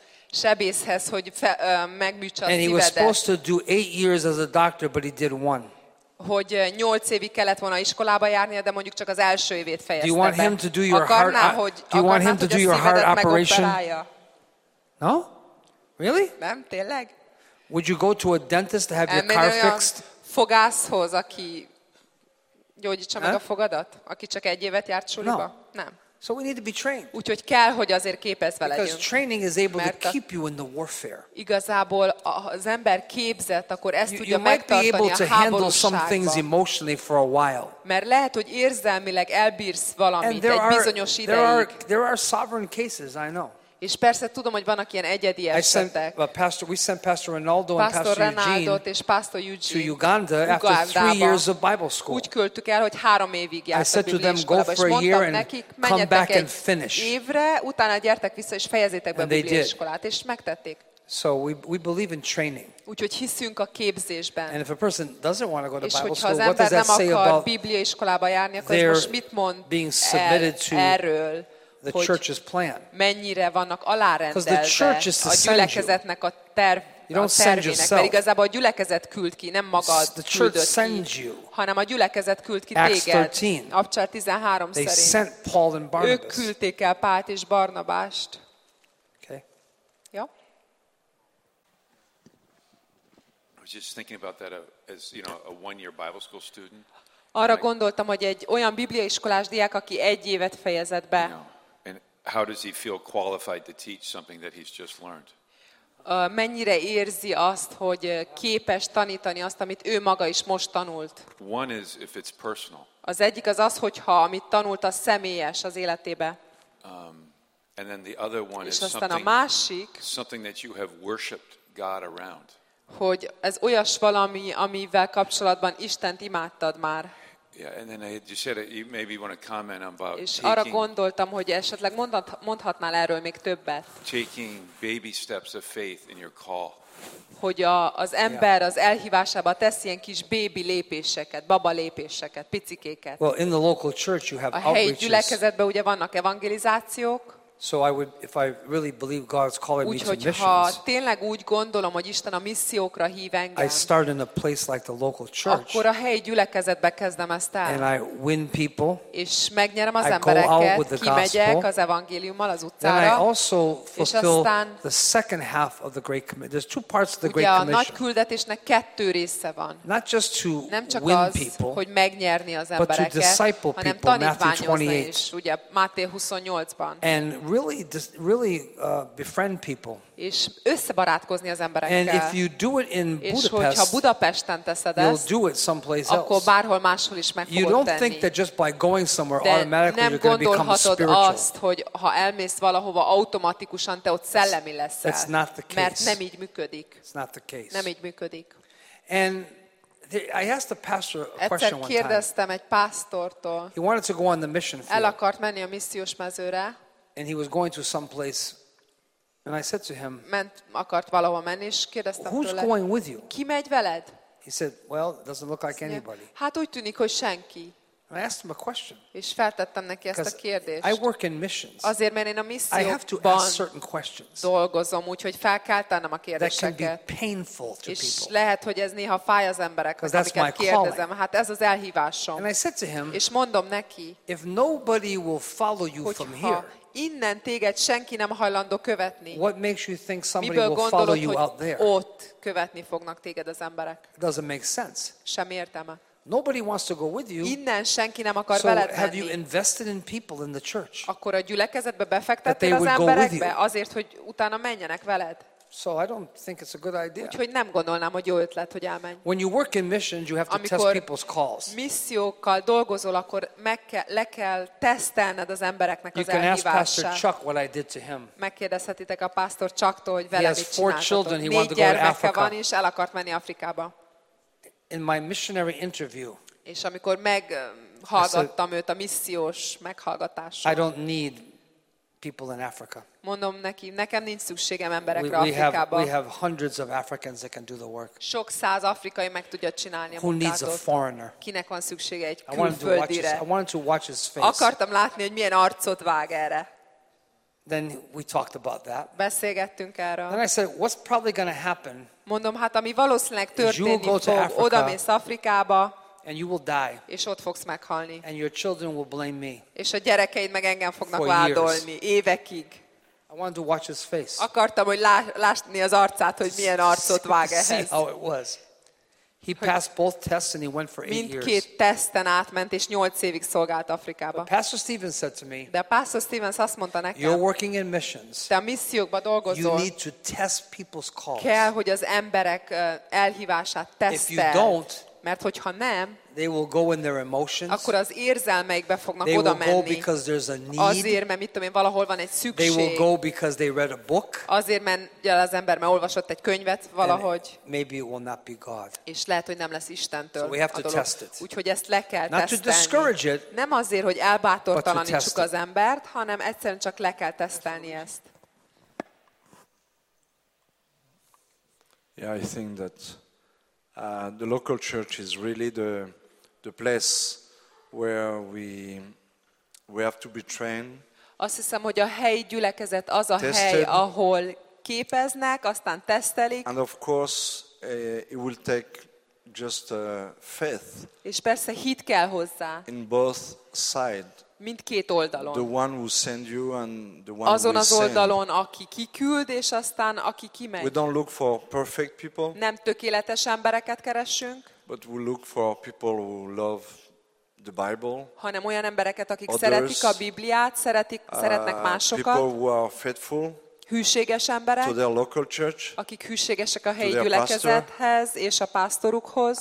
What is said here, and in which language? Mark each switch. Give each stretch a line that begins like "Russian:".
Hungarian: Sebészhez, hogy megműtse a szívedet.
English: And he was supposed to do 8 years as a doctor, but he did one.
Hungarian: Hogy 8 évig kellett volna iskolába járnia, de mondjuk csak az első évét fejezte be.
English: Do you want him to do your heart? Do you want him to do your heart operation? No? Really?
Hungarian: Nem, tényleg?
English: Would you go to a dentist to have your car fixed?
Hungarian: Fogászhoz, aki gyógyítsa meg a fogadat, aki csak 1 évet járt suliba?
English: No.
Hungarian: Nem.
English: So we need to be trained.
Hungarian: Úgyhogy kell, hogy azért képezve legyünk.
English: Because training is able to keep you in the warfare.
Hungarian: Igazából az ember képzett, akkor ezt tudja megtartani a háborúságban.
English: You might be able to handle some things emotionally for a while.
Hungarian: Mert lehet, hogy érzelmileg elbírsz valamit egy bizonyos ideig.
English: There are sovereign cases, I know.
Hungarian: És persze tudom, hogy vannak ilyen egyedi esetek.
English: We sent Pastor Ronaldo and Pastor Eugene,
Hungarian: és Pastor Eugene
English: to Uganda after 3 years of Bible school.
Hungarian: Úgy küldtük el, hogy 3 évig járt a Biblia iskolába, és mondtam nekik, menjetek egy évre, utána gyertek vissza, és fejezzétek be a Biblia iskolát, és megtették.
English: So we believe in training.
Hungarian: Úgyhogy hiszünk a képzésben.
English: And if a person doesn't want to go to Bible school, what does that say about
Hungarian: Biblia iskolába járni, akkor most mit mond erről?
English: The church's plan.
Hungarian: Mennyire vannak alárendelve a gyülekezetnek a tervének, mert igazából a gyülekezet küld ki, nem magad küldött ki, hanem a gyülekezet küld ki téged. Apcsal 13
English: they
Hungarian: szerint.
English: Sent Paul and Barnabas.
Hungarian: Ők küldték el Pált és Barnabást.
English: Okay.
Hungarian: Ja.
English: I was just thinking about that as, you know, a 1 year Bible school student.
Hungarian: Arra gondoltam, hogy egy olyan bibliaiskolás diák, aki 1 évet fejezett be.
English: How does he feel qualified to teach something that he's just learned?
Hungarian: Mennyire érzi azt, hogy képes tanítani azt, amit ő maga is most tanult?
English: One is if it's personal.
Hungarian: Az egyik az az, hogyha amit tanult, az személyes az életébe.
English: And then the other one
Hungarian: és
English: is
Hungarian: aztán a másik,
English: something that you have worshipped God around.
Hungarian: Hogy ez olyas valami, amivel kapcsolatban Istent imádtad már.
English: Yeah, and then I just said you maybe want to comment about.
Hungarian: És arra gondoltam, hogy esetleg mondhatnál erről még többet.
English: Taking baby steps of faith in your call.
Hungarian: Hogy az ember az elhívásába tesz ilyen kis baby lépéseket, baba lépéseket, picikéket.
English: Well, in the local church you have outreaches.
Hungarian: A helyi gyülekezetben ugye vannak evangelizációk.
English: So I would, if I really believe God's calling
Hungarian: úgy,
English: me to missions.
Hungarian: Ha tényleg úgy gondolom, hogy Isten a missziókra hív engem.
English: I start in a place like the local church.
Hungarian: Akkor a helyi gyülekezetbe kezdem ezt el.
English: And I win people.
Hungarian: És megnyerem az
English: I
Hungarian: embereket.
English: Go out with the
Hungarian: kimegyek
English: gospel.
Hungarian: Az evangéliummal az utcára.
English: And I also fulfill the second half of the Great Commission. There's two parts of the Great Commission.
Hungarian: Ugye a nagy küldetésnek kettő része van.
English: Not just to
Hungarian: nem csak
English: win
Hungarian: az,
English: people,
Hungarian: hogy megnyerni az embereket,
English: but to disciple people,
Hungarian: hanem tanítványozni is. Ugye Máté 28-ban.
English: And really befriend people.
Hungarian: És összebarátkozni az emberekkel.
English: And if you do it in Budapest,
Hungarian: és hogyha Budapesten teszed ezt,
English: you'll do it someplace else.
Hungarian: Akkor bárhol máshol is meg fogod
English: you don't
Hungarian: tenni.
English: Think that just by going somewhere
Hungarian: de
English: automatically
Hungarian: nem
English: you're going to become spiritual.
Hungarian: Gondolhatod azt, hogy ha elmész valahova, automatikusan te ott szellemi leszel.
English: That's not the case.
Hungarian: Mert nem így működik.
English: It's not the case.
Hungarian: Nem így működik.
English: And I asked the pastor a question one time.
Hungarian: Kérdeztem egy pásztortól.
English: He wanted to go on the mission field.
Hungarian: El akart menni a missziós mezőre.
English: And he was going to some place And I said to him,
Hungarian: ment, akart valahol menni, és kérdeztem
English: who's
Hungarian: tőle,
English: going with you?
Hungarian: Ki megy veled?
English: He said, well, it doesn't look like anybody.
Hungarian: Hát úgy tűnik, hogy senki.
English: And I asked him a question.
Hungarian: És feltettem neki ezt a kérdést.
English: I work in missions.
Hungarian: Azért, mert én a misszióban dolgozom, úgyhogy fel kell tennem a kérdéseket.
English: That can be painful to people.
Hungarian: És lehet, hogy ez néha fáj az emberek, amiket kérdezem. Hát ez az elhívásom.
English: And I said to him,
Hungarian: és mondom neki,
English: if nobody will follow you from here,
Hungarian: innen téged senki nem hajlandó követni.
English: What makes you think somebody
Hungarian: miből
English: will
Hungarian: gondolod,
English: follow you out there?
Hungarian: Ott követni fognak téged az emberek.
English: Doesn't make sense.
Hungarian: Semmi értelme.
English: Nobody wants to go with you.
Hungarian: Innen senki nem akar
English: so
Hungarian: veled menni.
English: Have you invested in people in the church?
Hungarian: Akkor a gyülekezetbe befektettél az emberekbe azért, hogy utána menjenek veled.
English: So I don't think it's a good idea.
Hungarian: Úgyhogy nem gondolnám, hogy jó ötlet, hogy elmenj.
English: When you work in missions, you have to
Hungarian: amikor
English: test people's calls.
Hungarian: Missziókkal dolgozol, akkor meg kell, le kell tesztelned az embereknek
English: you
Hungarian: az elhívását.
English: You can ask Pastor Chuck what I did to him.
Hungarian: Megkérdezhetitek a Pastor Chucktól, hogy vele mit csináltatok.
English: Children,
Hungarian: négy gyermeke van, és el akart menni Afrikába.
English: In my missionary interview.
Hungarian: És amikor meghallgattam őt a missziós meghallgatáson.
English: I don't need people in Africa.
Hungarian: Mondom neki, nekem nincs szükségem emberekre Afrikában.
English: We have hundreds of Africans that can do the work.
Hungarian: Sok száz afrikai meg tudja csinálni a munkát.
English: Who needs a foreigner?
Hungarian: Kinek van szüksége egy külföldire?
English: I wanted to watch his face.
Hungarian: Akartam látni, hogy milyen arcot vág erre.
English: Then we talked about that.
Hungarian: Beszélgettünk erről.
English: Then I said, what's probably going to happen?
Hungarian: Mondom, hát ami valószínűleg történik, oda mész Afrikába.
English: And you will die.
Hungarian: És ott fogsz meghalni.
English: And your children will blame me.
Hungarian: És a gyerekeid meg engem fognak vádolni évekig.
English: I wanted to watch his face.
Hungarian: Akartam, hogy lássni az arcát, hogy milyen arcot vág ehhez.
English: See how it was. He passed both tests and he went for 8 years.
Hungarian: Mindkét teszten átment és 8 évig szolgált Afrikába.
English: But Pastor Stephen said to me.
Hungarian: De Pastor Stephen azt mondta nekem.
English: You're working in missions.
Hungarian: Te a missziókba dolgozol.
English: You need to test people's calls.
Hungarian: Kell, hogy az emberek elhívását teszteld.
English: If you don't,
Hungarian: mert hogyha nem,
English: they will go in their emotions.
Hungarian: Akkor az érzelmeikbe fognak
English: they
Hungarian: oda menni.
English: They will go because there's a need.
Hungarian: Azért, mert mit tudom én, valahol van egy szükség.
English: They will go because they read a book.
Hungarian: Azért, mert az ember már olvasott egy könyvet valahogy.
English: And maybe it will not be God.
Hungarian: És lehet, hogy nem lesz Istentől.
English: So we have to test it.
Hungarian: Úgyhogy ezt le kell tesztelni.
English: Not to discourage it.
Hungarian: Nem azért, hogy elbátortalanítsuk az embert, hanem egyszerűen csak le kell tesztelni ezt.
English: Yeah, I think that the local church is really the place where we have to be trained.
Hungarian: Azt hiszem, hogy a helyi gyülekezet az a hely, ahol képeznek, aztán tesztelik.
English: And of course, it will take just faith.
Hungarian: És persze hit kell hozzá.
English: In both sides.
Hungarian: Mindkét oldalon.
English: The one who send you and the one
Hungarian: azon az
English: send.
Hungarian: Oldalon, aki kiküld, és aztán aki kimegy.
English: We don't look for perfect people.
Hungarian: Nem tökéletes embereket keresünk.
English: But we look for people who love the Bible.
Hungarian: Hanem olyan embereket, akik szeretik a Bibliát, szeretnek másokat.
English: People who are faithful.
Hungarian: Hűséges emberek.
English: To their local church.
Hungarian: Akik hűségesek a helyi gyülekezethez és a pásztorukhoz.